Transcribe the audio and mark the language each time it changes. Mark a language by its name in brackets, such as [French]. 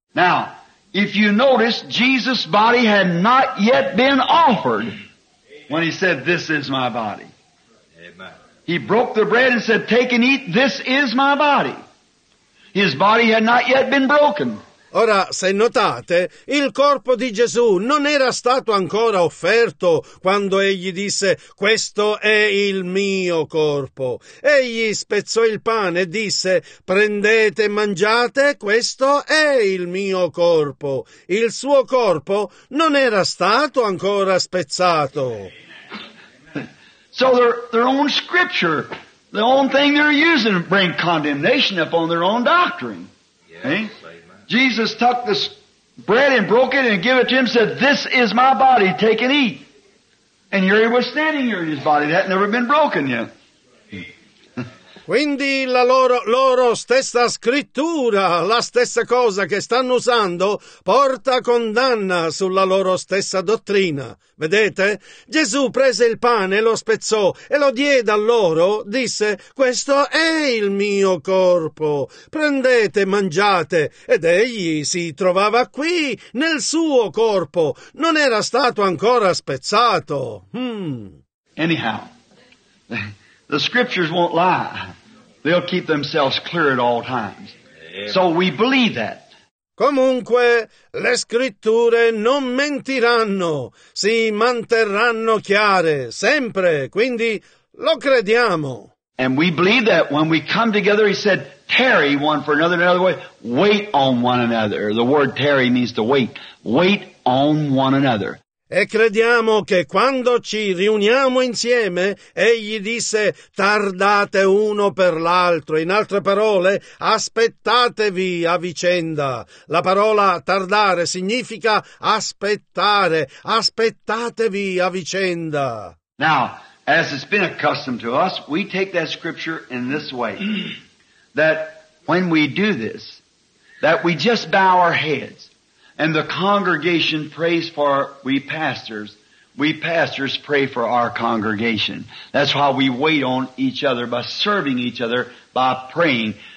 [English] Now, if you notice, Jesus' body had not yet been offered when he said, this is my body. Amen. He broke the bread and said, take and eat, this is my body. His body had not yet been broken. [Italian] Ora, se notate, il corpo di Gesù non era stato ancora offerto quando egli disse «Questo è il mio corpo». Egli spezzò il pane e disse «Prendete e mangiate, questo è il mio corpo». Il suo corpo non era stato ancora spezzato. [English] So their own scripture, the own thing they're using to bring condemnation upon their own doctrine. Yes. Jesus took this bread and broke it and gave it to him and said, this is my body, take and eat. And here he was standing here in his body. That had never been broken yet. [Italian] Quindi la loro stessa scrittura, la stessa cosa che stanno usando, porta condanna sulla loro stessa dottrina. Vedete? Gesù prese il pane, lo spezzò e lo diede a loro, disse, questo è il mio corpo, prendete, mangiate. Ed egli si trovava qui, nel suo corpo, non era stato ancora spezzato. [English] Anyhow, the scriptures won't lie. They'll keep themselves clear at all times. So we believe that. [Italian] Comunque, le scritture non mentiranno, si manterranno chiare, sempre, quindi lo crediamo. [English] And we believe that when we come together, he said, tarry one for another, another way, wait on one another. The word tarry means to wait. Wait on one another. [Italian] E crediamo che quando ci riuniamo insieme, egli disse, tardate uno per l'altro. In altre parole, aspettatevi a vicenda. La parola tardare significa aspettare. Aspettatevi a vicenda. [English] Now, as it's been accustomed to us, we take that scripture in this way. That when we do this, that we just bow our heads. And the congregation prays for we pastors. We pastors pray for our congregation. That's why we wait on each other by serving each other by praying.